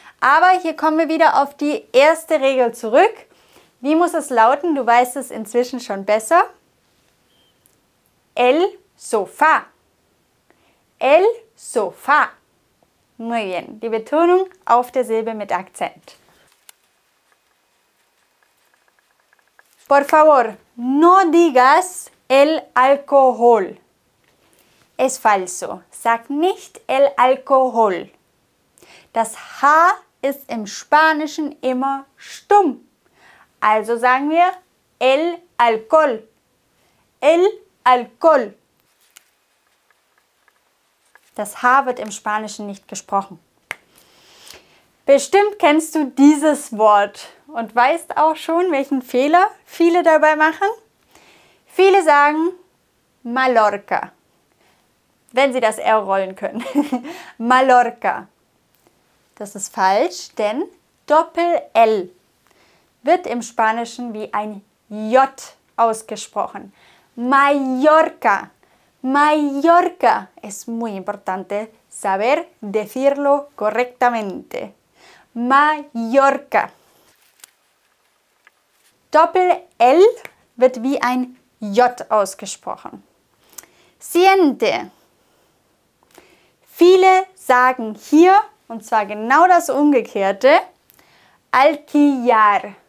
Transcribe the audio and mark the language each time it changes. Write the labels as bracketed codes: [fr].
[de] Aber hier kommen wir wieder auf die erste Regel zurück. Wie muss es lauten? Du weißt es inzwischen schon besser. El sofá. El sofá. [es] Muy bien. [de] Die Betonung auf der Silbe mit Akzent. [es] Por favor, no digas el alcohol. Es falso. [de] Sag nicht el alcohol. Das H ist im Spanischen immer stumm. Also sagen wir el alcohol. El alcohol. Das H wird im Spanischen nicht gesprochen. Bestimmt kennst du dieses Wort und weißt auch schon, welchen Fehler viele dabei machen. Viele sagen Mallorca, wenn sie das R rollen können. Mallorca. Das ist falsch, denn Doppel-L wird im Spanischen wie ein J ausgesprochen. Mallorca. Mallorca. [es] Es muy importante saber decirlo correctamente. Mallorca. [de] Doppel-L wird wie ein J ausgesprochen. Siente. Viele sagen hier, und zwar genau das Umgekehrte, Alquilar.